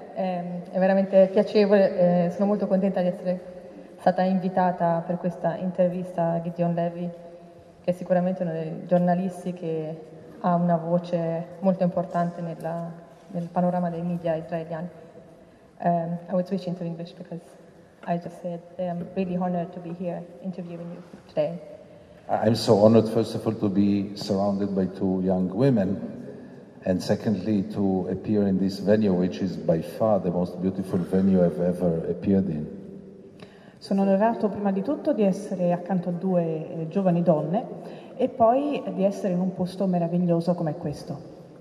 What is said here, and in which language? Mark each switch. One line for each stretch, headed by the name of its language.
Italian: È veramente piacevole, sono molto contenta di essere stata invitata per questa intervista a Gideon Levy, che è sicuramente uno dei giornalisti che ha una voce molto importante nel panorama dei media israeliani.
English: I will switch into English because I just said I'm really honored to be here interviewing you today. I'm so honored, first of all, to be surrounded by two young women, and secondly, to appear in this venue, which is by far the most beautiful venue I've ever appeared in.
Italian: Sono onorato prima di tutto di essere accanto a due giovani donne e poi di essere in un posto meraviglioso come questo.